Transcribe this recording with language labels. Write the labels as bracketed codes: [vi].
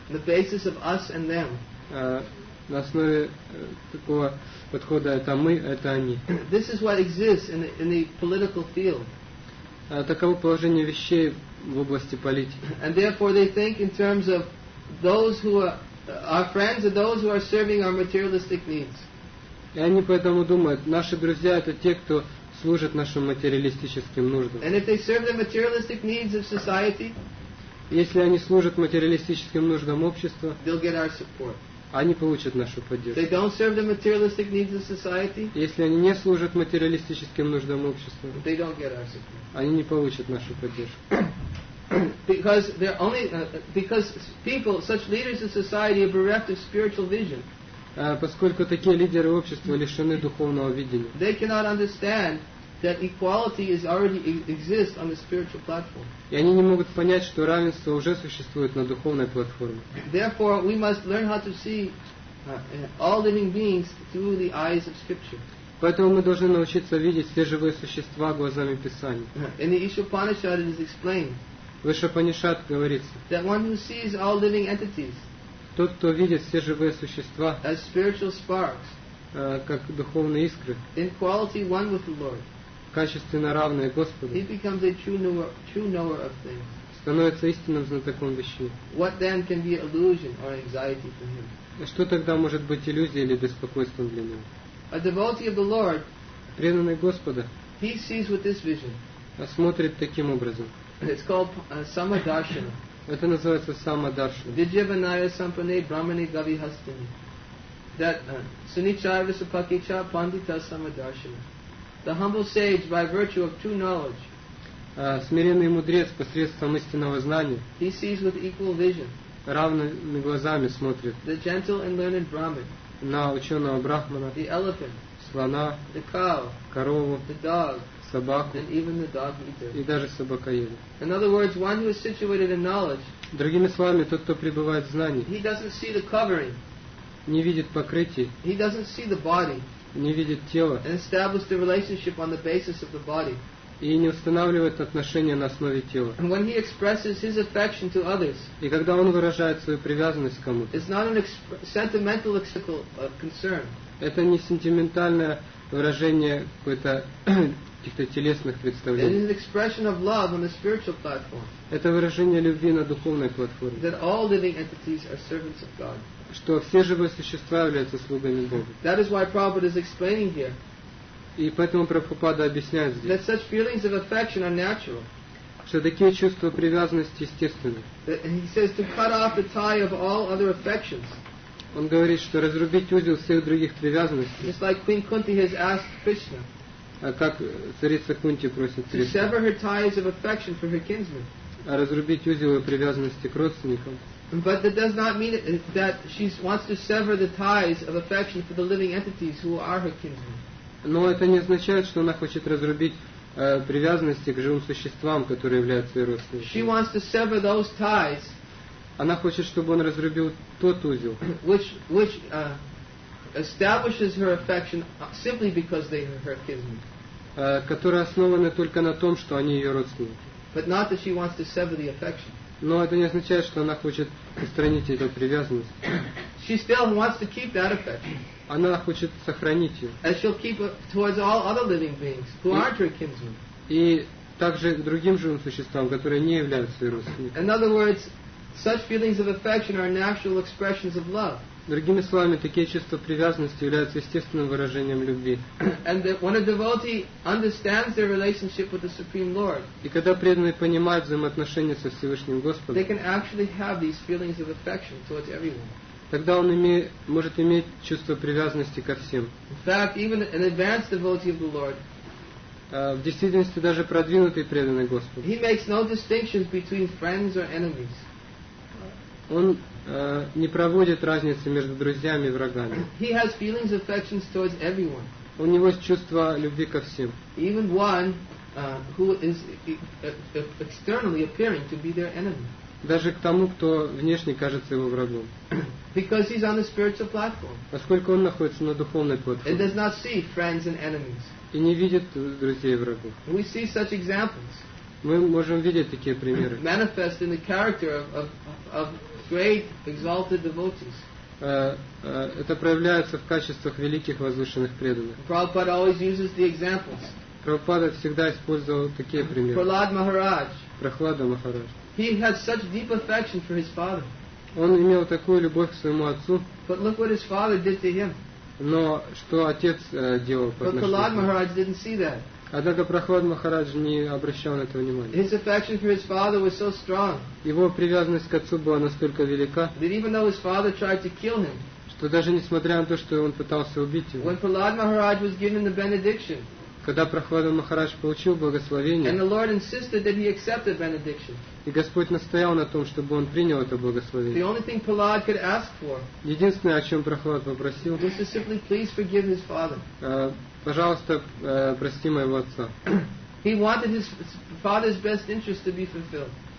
[en] The basis of us and them. [ru] На основе такого подхода это мы, это они. [en] This is what exists in the political field. [ru] Таково положение вещей в области политики. [en] And therefore they think in terms of those who are our friends are those who are serving our materialistic needs. [ru] И они поэтому думают, наши друзья это те, кто служит нашим материалистическим нуждам. [en] And if they serve the materialistic needs of society. [ru] Если они служат материалистическим нуждам общества, [en] they'll get our support. [ru] Они получат нашу поддержку. [en] They don't serve the materialistic needs of society. [ru] Если они не служат материалистическим нуждам общества, [en] they don't get our support. [ru] Они не получат нашу поддержку. [en] Because they're only because people, such leaders in society, are bereft of spiritual vision. [ru] Поскольку такие лидеры общества лишены духовного видения. [en] They cannot understand that equality is already exists on the spiritual platform. [ru] И они не могут понять, что равенство уже существует на духовной платформе. [en] Therefore, we must learn how to see all living beings through the eyes of Scripture. [ru] Поэтому мы должны научиться видеть все живые существа глазами Писания. [en] In the Ишупанишад, it is explained. [ru] Выше Панишат говорится. [en] That one who sees all living entities. [ru] Тот, кто видит все живые существа. [en] As spiritual sparks. [ru] Как духовные искры. [en] In quality one with the Lord. [ru] Качественно равные Господу. [en] He becomes a true knower of things. [ru] Становится истинным знатоком вещей. [en] What then can be illusion or anxiety for him? [ru] Что тогда может быть иллюзией или беспокойством для него? [en] A devotee of the Lord. [ru] Преданный Господа. [en] He sees with this vision. [ru] Смотрит таким образом. [en] It's called Samadarshana. [ru] Это называется Самадаршана. [sa] Vijayavanaya Sampane Brahmane Gavi Hastini. That Sunichaya Visapakicha Pandita Samadarshana. [en] The humble sage by virtue of true knowledge. [ru] Смиренный мудрец посредством истинного знания. [en] He sees with equal vision. [ru] Равными глазами смотрит. [en] The gentle and learned Brahmin. [ru] На ученого Брахмана. [en] The elephant. [ru] Слона. [en] The cow. [ru] Корову. [en] The dog. [ru] Собаку, [en] and even the dog eater. [ru] И даже собакоеда. [en] In other words, one who is situated in knowledge. [ru] Другими словами, тот, кто пребывает в знании. [en] He doesn't see the covering. [ru] Не видит покрытие. [en] He doesn't see the body. [ru] Не видит тело. [en] And establish the relationship on the basis of the body. [ru] И не устанавливает отношения на основе тела. [en] And when he expresses his affection to others. [ru] И когда он выражает свою привязанность к кому-то. [en] It's not an sentimental lexical concern. [ru] Это не сентиментальное выражение какой-то каких-то телесных представлений. [en] It is an expression of love on the spiritual platform. [ru] Это выражение любви на духовной платформе. [en] That all living entities are servants of God. [ru] Что все живые существа являются слугами Бога. [en] That is why Prabhupada is explaining here. [ru] И поэтому Прабхупада объясняет здесь. [en] That such feelings of affection are natural. [ru] Что такие чувства привязанности естественны. [en] He says to cut off the tie of all other affections. [ru] Он говорит, что разрубить узел всех других привязанностей. [en] It's like Queen Kunti has asked Krishna. [ru] А как царица Кунти просит царицу? [en] To sever her ties of affection for her kinsmen. [ru] А разрубить узел ее привязанности к родственникам. [en] But that does not mean that she wants to sever the ties of affection for the living entities who are her kinsmen. [ru] Но это не означает, что она хочет разрубить привязанности к живым существам, которые являются ее родственниками. [en] She wants to sever those ties. [ru] Она хочет, чтобы он разрубил тот узел. [en] Which establishes her affection simply because they are her kinsmen. [ru] Которые основаны только на том, что они ее родственники. [en] But not that she wants to sever the affection. [ru] Но это не означает, что она хочет устранить эту привязанность. [en] She still wants to keep that affection. [ru] она хочет сохранить ее. [en] And she'll keep it towards all other living beings who aren't her kinsmen. [ru] И также к другим живым существам, которые не являются ее родственниками. [en] In other words, such feelings of affection are natural expressions of love. [ru] Другими словами, такие чувства привязанности являются естественным выражением любви. [en] And when a devotee understands their relationship with the Supreme Lord, [ru] и когда преданный понимает взаимоотношения со Всевышним Господом, [en] they can actually have these feelings of affection towards everyone. [ru] Тогда он может иметь чувство привязанности ко всем. [en] In fact, even an advanced devotee of the Lord, [ru] в действительности даже продвинутый преданный Господу, [en] he makes no distinctions between friends or enemies. [ru] Он не проводит разницы между друзьями и врагами. [en] He has feelings, affections towards everyone. [ru] У него есть чувство любви ко всем. [en] Even one who is externally appearing to be their enemy. [ru] Даже к тому, кто внешне кажется его врагом. [en] Because he's on the spiritual platform. [ru] Поскольку он находится на духовной платформе. [en] And does not see friends and enemies. [ru] И не видит друзей и врагов. [en] We see such examples. [ru] Мы можем видеть такие примеры. [en] Manifest in the character of great exalted devotees. [ru] Это проявляется в качествах великих возвышенных преданных. [en] Prabhupada always uses the examples. [ru] Prabhupada всегда использовал такие примеры. [en] Prahlad Maharaj. [ru] Прохлада Махарадж. [en] He had such deep affection for his father. [ru] Он имел такую любовь к своему отцу. [en] But look what his father did to him. [ru] Но что отец делал по отношению к нему. [en] But Prahlad Maharaj didn't see that. [ru] Однако Прохлад Махарадж не обращал на это внимания. [en] His affection for his father was so strong. [ru] Его привязанность к отцу была настолько велика. [en] That even though his father tried to kill him. [ru] Что даже несмотря на то, что он пытался убить его. [en] When Prahlad Maharaj was given the benediction. [ru] Когда Прохлад Махарадж получил благословение. [en] And the Lord insisted that he accept the benediction. [ru] И Господь настоял на том, чтобы он принял это благословение. [en] The only thing Prahlad could ask for. [ru] Единственное, о чем Прохлад попросил. [en] Was to simply please forgive his father. [ru] Пожалуйста, прости моего отца. [en] He wanted his father's best interest to be fulfilled.